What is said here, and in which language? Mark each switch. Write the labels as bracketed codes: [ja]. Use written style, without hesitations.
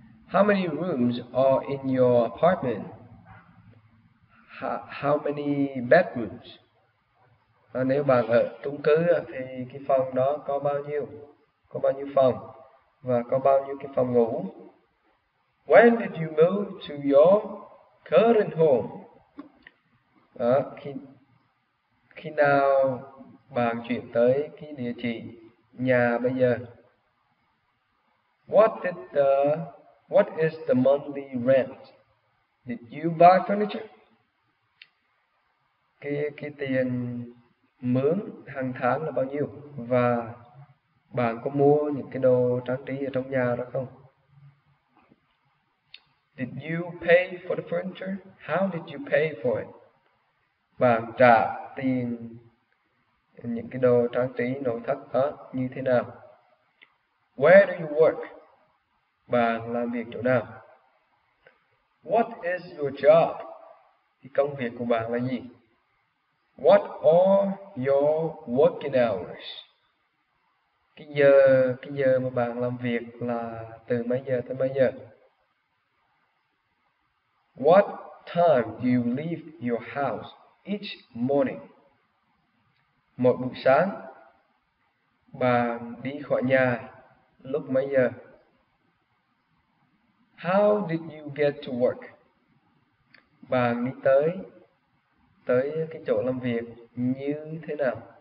[en] How many rooms are in your apartment? How many bedrooms? [vi] À, nếu bạn ở chung cư thì cái phòng đó có bao nhiêu? Có bao nhiêu phòng? Và có bao nhiêu cái phòng ngủ? [en] When did you move to your current home? [vi] Đó, khi nào bạn chuyển tới cái địa chỉ nhà bây giờ? [en] What is the monthly rent? Did you buy furniture? [vi] Cái tiền mướn hàng tháng là bao nhiêu? Và bạn có mua những cái đồ trang trí ở trong nhà đó không? [en] Did you pay for the furniture? How did you pay for it? [vi] Bạn trả tiền những cái đồ trang trí nội thất đó như thế nào? [en] Where do you work? [vi] Bạn làm việc chỗ nào? [en] What is your job? [vi] Thì công việc của bạn là gì? [en] What are your working hours? [vi] Cái giờ mà bạn làm việc là từ mấy giờ tới mấy giờ? [en] What time do you leave your house each morning? [vi] Mỗi buổi sáng, bạn đi khỏi nhà lúc mấy giờ? [en] How did you get to work? [vi] Bạn đi tới cái chỗ làm việc như thế nào?